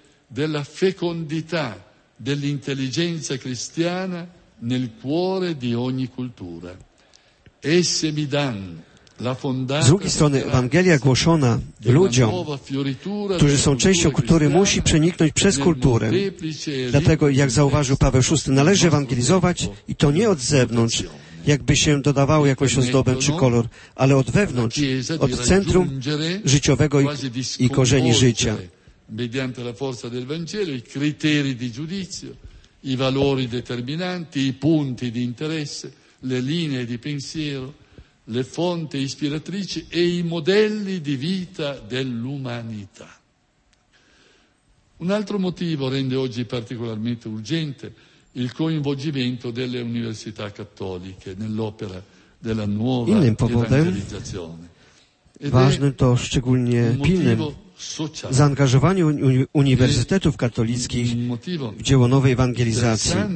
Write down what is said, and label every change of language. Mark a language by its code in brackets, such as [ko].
[it] Della fecondità dell'intelligenza cristiana nel cuore di ogni cultura. Esse mi danno la fondata. [pl] Z drugiej strony Ewangelia głoszona ludziom, którzy są częścią kultury, musi przeniknąć przez kulturę. Dlatego, jak zauważył Paweł VI, należy ewangelizować i to nie od zewnątrz, jakby się dodawało jakąś ozdobę czy kolor, ale od wewnątrz, od centrum życiowego i korzeni życia. [it] Mediante la forza del Vangelo, i criteri di giudizio, i valori determinanti, i punti di interesse, le linee di pensiero, le fonti ispiratrici e i modelli di vita dell'umanità. Un altro motivo rende oggi particolarmente urgente il coinvolgimento delle università cattoliche nell'opera della nuova evangelizzazione. [pl] Ważne to szczególnie pilne. Zaangażowanie uniwersytetów katolickich w dzieło nowej ewangelizacji.